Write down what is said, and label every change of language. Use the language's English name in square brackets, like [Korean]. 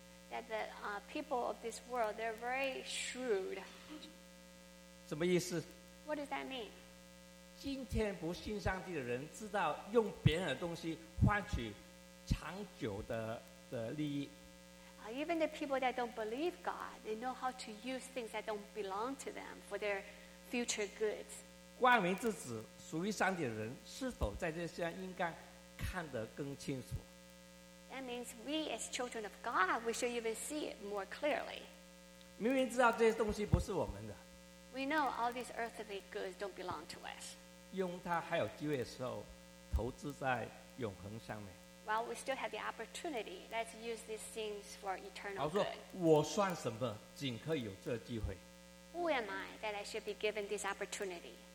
[English] That the people of this world, they're very shrewd. [Chinese] 什么意思? [English] What does that mean? [Chinese] 今天不信上帝的人知道用别人的东西换取长久的利益。 [English] Even the people that don't believe God, they know how to use things that don't belong to them for their future goods. [Chinese] 光明之子属于上帝的人是否在这世上应该看得更清楚。 [English] That means we as children of God, we should even see it more clearly. [Chinese] 明明知道这些东西不是我们的。 [English] We know all these earthly goods don't belong to us. [Chinese] 用它还有机会的时候投资在永恒上面。 [English] While we still have the opportunity, let's use these things for eternal good. [Chinese] 我说我算什么，仅可有这机会。 [English] Who am I that I should be given this opportunity?